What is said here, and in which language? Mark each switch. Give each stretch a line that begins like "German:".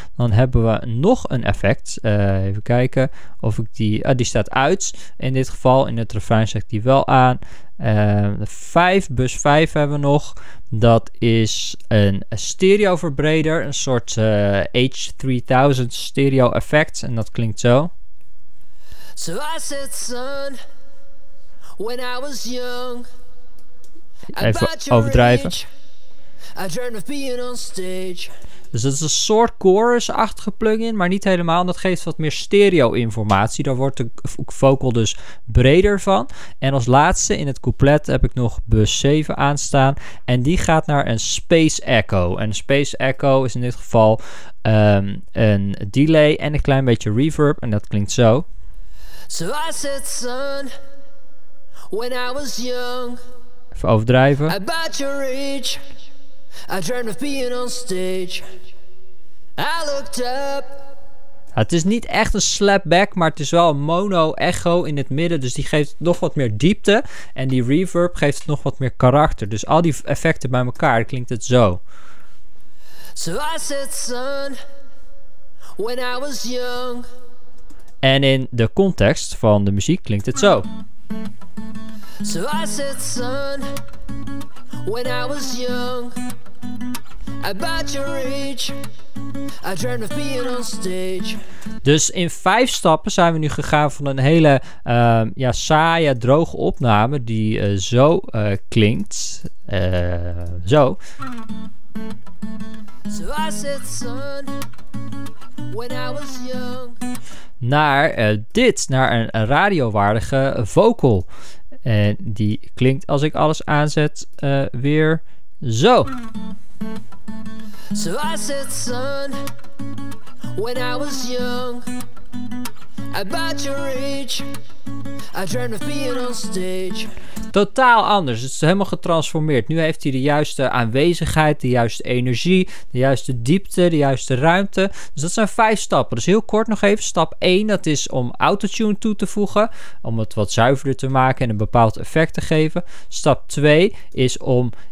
Dutch: Dan hebben we nog een effect. Even kijken of ik die. Die staat uit in dit geval. In het refrein zeg ik die wel aan. 5, bus 5 hebben we nog. Dat is een stereo verbreder. Een soort H3000 stereo effect. En dat klinkt zo.
English: So I said, son, when I was young,
Dutch: even overdrijven.
English: I dreamed of being on stage.
Dutch: Dus dat is een soort chorus-achtige plugin, maar niet helemaal. Dat geeft wat meer stereo-informatie. Daar wordt de vocal dus breder van. En als laatste in het couplet heb ik nog bus 7 aanstaan. En die gaat naar een space echo. En space echo is in dit geval een delay en een klein beetje reverb. En dat klinkt zo.
English: So I said, son, when I was young,
Dutch: even overdrijven.
English: About your age, I dreamed of being on stage. I looked up.
Dutch: Het is niet echt een slapback, maar het is wel een mono echo in het midden. Dus die geeft nog wat meer diepte. En die reverb geeft nog wat meer karakter. Dus al die effecten bij elkaar klinkt het zo.
English: So I said, son, when I was young.
Dutch: En in de context van de muziek klinkt het zo.
English: So I said, son, when I was young, about your age, I dreamed of being on stage.
Dutch: Dus in 5 stappen zijn we nu gegaan van een hele saaie, droge opname die klinkt. Zo.
English: So I said, son, when I was young,
Dutch: naar dit, naar een radiowaardige vocal. En die klinkt, als ik alles aanzet, weer zo.
English: So I said, son, when I was young, about your age, I dreamed of being on stage.
Dutch: Totaal anders. Het is helemaal getransformeerd. Nu heeft hij de juiste aanwezigheid, de juiste energie, de juiste diepte, de juiste ruimte. Dus dat zijn 5 stappen. Dus heel kort nog even. Stap 1, dat is om autotune toe te voegen. Om het wat zuiverder te maken en een bepaald effect te geven. Stap 2 is om